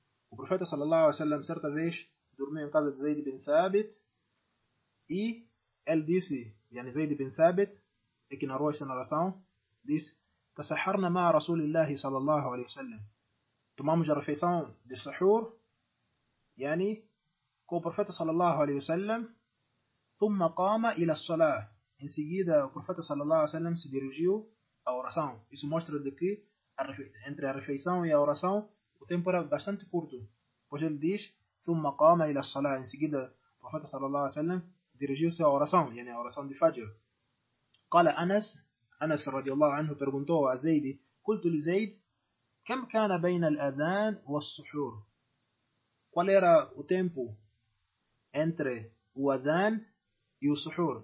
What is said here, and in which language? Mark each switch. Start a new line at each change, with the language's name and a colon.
Portuguese: O profeta sallallahu alaihi wasallam certa vez dormiu em casa de Zayd ibn Thabit, e ele disse, Zayd ibn Thabit, e que narrou essa narração, disse:
Arabic: tasaharna ma'a Rasulillah
Portuguese: sallallahu alaihi wasallam, tomamos a refeição de sahur, com o profeta sallallahu alaihi wasallam,
Arabic: ثم قام إلى الصلاة.
Portuguese: En seguida, o profeta sallallahu alaihi wa sallam se dirigiu à oração. Isso mostra de que entre a refeição e a oração, o tempo era bastante curto. Pois ele diz,
Arabic: ثم قام إلى الصلاة.
Portuguese: Em seguida, o profeta sallallahu alaihi wa sallam dirigiu-se à oração, yani à oração de Fajr. Qala Anas, Anas radiallahu anhu perguntou a Zayd,
Arabic: قلت لزيد كم كان بين الأذان والسحور؟
Portuguese: Qual era o tempo entre o Adhan e o Suhur?